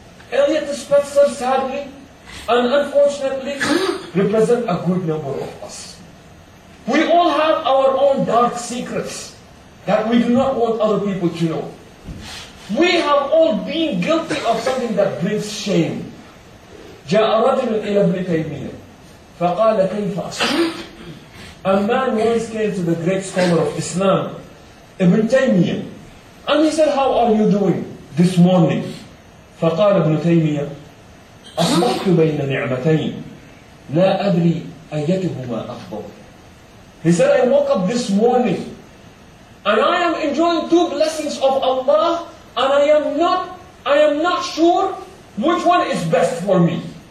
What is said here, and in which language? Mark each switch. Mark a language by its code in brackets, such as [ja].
[en] Elliot Spencer, sadly, and unfortunately, represent a good number of us. We all have our own dark secrets that we do not want other people to know. We have all been guilty of something that brings shame. [ar] جاء رجل إلى ابن تيمية فقال كيف أصبت. [en] A man once came to the great scholar of Islam, Ibn Taymiyyah. And he said, how are you doing this morning? [ar] فقال ابن تيمية أصبحت بين نعمتين لا أدري أيتهما أفضل. [en] He said, I woke up this morning and I am enjoying two blessings of Allah, and I am not sure which one is best for me.